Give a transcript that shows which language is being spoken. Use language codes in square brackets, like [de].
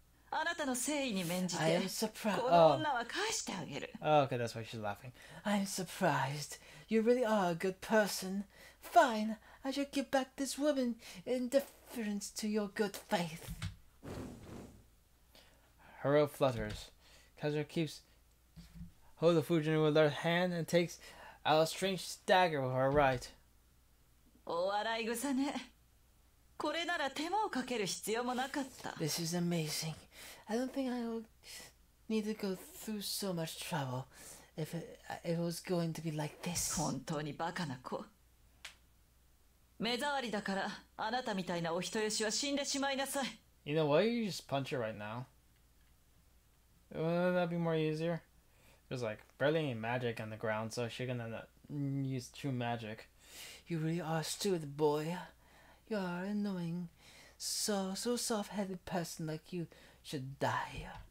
[ja] あなたの誠意に免じて、この女は返してあげる。 [en] Oh. Okay, that's why she's laughing. I'm surprised. You really are a good person. Fine, I shall give back this woman in deference to your good faith. Her robe flutters. Kazuya keeps hold the Fujin with her hand and takes out a strange dagger with her right. [ja] お笑い草ね。これなら手間をかける必要もなかった。 [en] This is amazing. I don't think I will need to go through so much trouble if it was going to be like this. [ja] 本当にバカな子。目障りだからあなたみたいなお人よしは死んでしまいなさい。 [en] You know, why don't you just punch her right now? Wouldn't that be more easier? There's like barely any magic on the ground, so she's gonna use true magic. You really are a stupid boy. You are annoying. So soft-headed person like you should die.